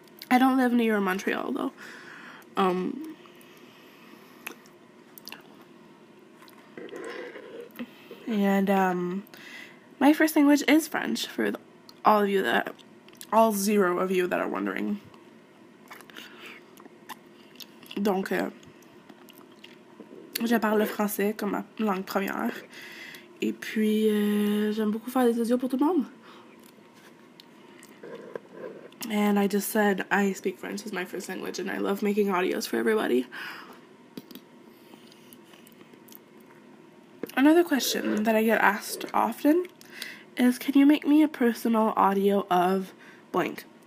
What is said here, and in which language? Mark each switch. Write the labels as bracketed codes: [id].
[en] I don't live near Montreal, though. And my first language is French, for all of you that, all zero of you that are wondering. [fr] Donc, je parle le français comme ma langue première. Et puis, j'aime beaucoup faire des audios pour tout le monde. [en] And I just said I speak French as my first language, and I love making audios for everybody. Another question that I get asked often is, can you make me a personal audio of blank?